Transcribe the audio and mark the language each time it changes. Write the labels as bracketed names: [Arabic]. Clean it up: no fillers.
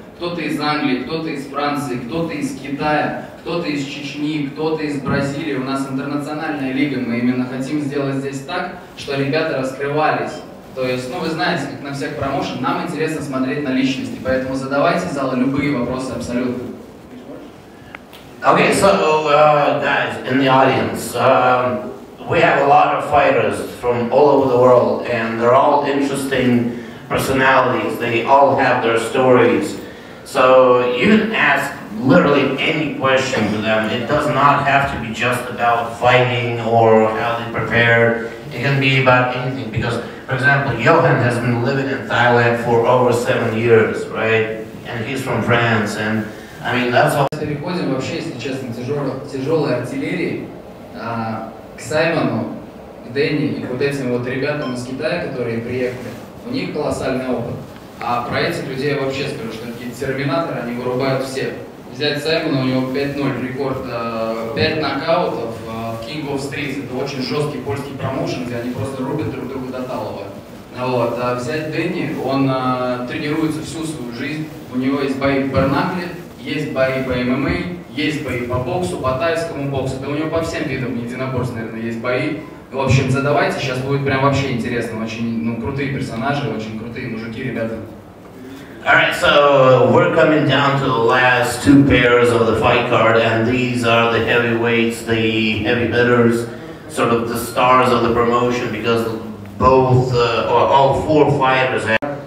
[Russian] Кто-то из Англии, кто-то из Франции, кто-то из Китая, кто-то из Чечни, кто-то из Бразилии. У нас интернациональная лига. Мы именно хотим сделать здесь так, что ребята раскрывались. То есть, ну, вы знаете, как на всех промоушен, нам интересно смотреть на личности. Поэтому задавайте залу любые вопросы абсолютно. [English] Okay, so, guys, in the audience, we have a lot of fighters from all over the world, and they're all interesting personalities. They all have their stories. So you can ask literally any question to them. It does not have to be just about fighting or how they prepare. It can be about anything. Because, for example, Johan has been living in Thailand for over 7 years, right? And he's from France. And I mean, that's all. [Russian] Переходим вообще, если честно, тяжелой артиллерии. К Саймону, к Дэнни и к вот этим вот ребятам из Китая, которые приехали, у них колоссальный опыт. А про этих людей я вообще скажу, что они какие-то терминаторы, они вырубают все. Взять Саймона, у него 5-0 рекорд, 5 нокаутов в King of Streets, это очень жесткий польский промоушен, где они просто рубят друг друга до талого. Вот. А взять Дэнни, он тренируется всю свою жизнь, у него есть бои в Барнакле, есть бои по ММА, есть бои по боксу, по тайскому боксу, да у него по всем видам единоборств, наверное, есть бои. В общем, задавайте, сейчас будет прям вообще интересно, очень, ну, крутые персонажи, очень крутые мужики, ребята. [English] Alright, so we're coming down to the last two pairs of the fight card, and these are the heavyweights, the heavy hitters, sort of the stars of the promotion, because both, all four fighters have...